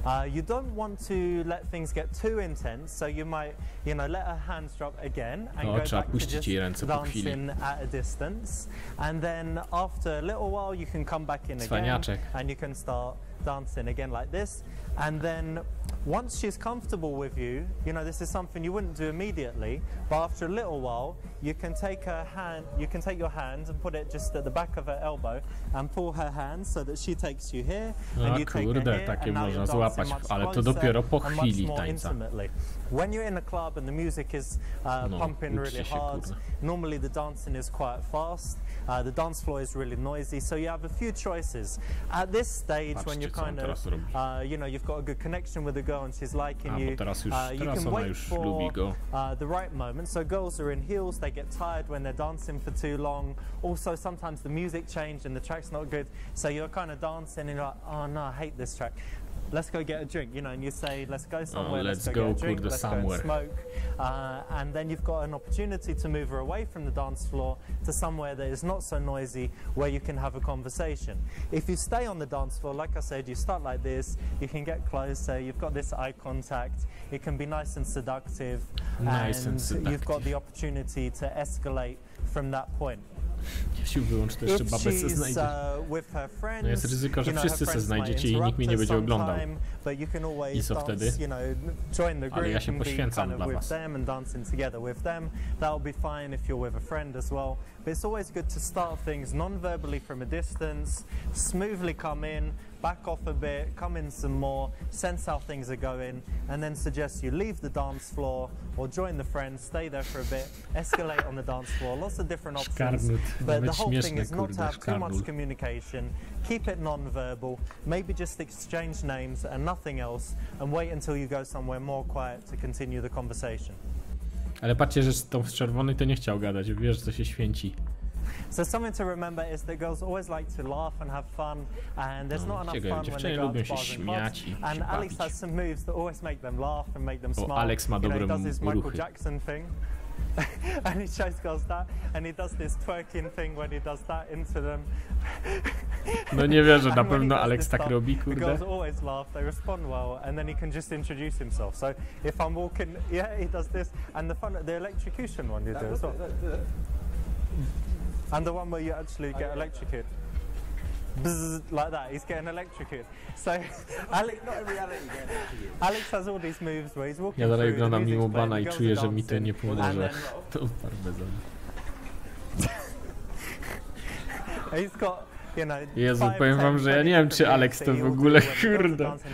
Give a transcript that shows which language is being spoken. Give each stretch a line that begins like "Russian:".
English: You don't want to let things get too intense, so you might, you know, let her hands drop again and go back to just dancing at a distance, and then after a little while you can come back in again and you can start dancing again like this. And then once she's comfortable with you, you know, this is something you wouldn't do immediately, but after a little while you can take her hand, you can take your hand and put it just at the back of her elbow and pull her hand so that she takes you here and you take her here,
Polish: takie
English: and now
Polish: można złapać, ale to dopiero po chwili tańca.
English: When you're in a club and the music is pumping really hard, normally the dancing is quite fast, the dance floor is really noisy, so you have a few choices. At this stage,
Polish: patrzcie,
English: when you're kind of, you know, you've got a good connection with the girl and she's liking you, you can wait for The right moment. So girls are in heels, they get tired when they're dancing for too long. Also, sometimes the music changed and the track's not good, so you're kind of dancing and you're like, oh no, I hate this track. Let's go get a drink, you know, and you say, let's go somewhere, let's go get a drink, let's go smoke. And then you've got an opportunity to move her away from the dance floor to somewhere that is not so noisy, where you can have a conversation. If you stay on the dance floor, like I said, you start like this, you can get closer, you've got this eye contact, it can be nice and seductive, and you've got the opportunity to escalate from that point.
Polish: Jeśli wyłączy, to jeszcze babę se znajdzie. No jest ryzyko, że wszyscy se znajdziecie i nikt mnie nie będzie oglądał. I co wtedy? Ale ja się poświęcam dla was.
English: And dancing together with them, that'll be fine if you're with a friend as well. But it's always good to start things non-verbally from a distance, smoothly come in, back off a bit, come in some more, sense how things are going, and then suggest you leave the dance floor or join the friends, stay there for a bit, escalate on the dance floor, lots of different options. Szkarnut. But the whole
Polish: śmieszne,
English: thing is not to have szkarnut. Too much communication, keep it non-verbal, maybe just exchange names and nothing else, and wait until you go somewhere more quiet to continue the conversation.
Polish: Ale patrzcie, że z tą z czerwonej to nie chciał gadać, wie, że to się święci.
English: So something to remember is that girls always like to laugh and have fun, and there's not enough fun when they go to bars and clubs. And Alex has some moves that always make them laugh and make them smile.
Polish: Alex ma dobre ruchy.
English: You know, he does this Michael Jackson thing, and he shows girls that, and he does this twerking thing when he does that into them.
Polish: No nie wierzę, na pewno Alex tak robi, kurde.
English: Girls always laugh, they respond well, and then he can just introduce himself. So if I'm walking, yeah, he does this, and the fun, the electrocution one you do as well. And the one where you actually get electrocuted. Bzzz, like that, he's getting electrocuted. So, Alex, not in reality, you get electrocuted. Alex has all these moves where he's walking.
Polish: Ja dalej oglądam mimo bana i czuję, że mi to nie pomoże. To parmezan.
English: He's got.
Polish: Jezu, powiem wam, że ja nie wiem, czy Alex to w ogóle, kurde.